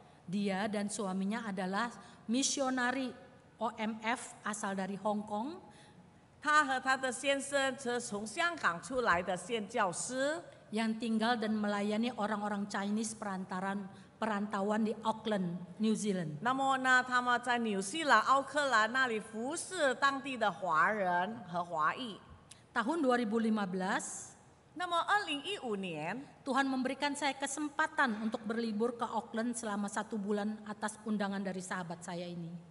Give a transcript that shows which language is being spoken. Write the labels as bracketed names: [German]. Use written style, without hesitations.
[Indonesian] Dia dan suaminya adalah misionari OMF asal dari Hong Kong. [Chinese] 他和他的先生是从香港出来的宣教师。 [Indonesian] Yang tinggal dan melayani orang-orang Chinese perantaran perantauan di Auckland, New Zealand. [Chinese] 那么呢，他们在纽西兰奥克兰那里服侍当地的华人和华裔。 [Indonesian] Tahun 2015, [Chinese] 那么2015年， [Indonesian] Tuhan memberikan saya kesempatan untuk berlibur ke Auckland selama satu bulan atas undangan dari sahabat saya ini.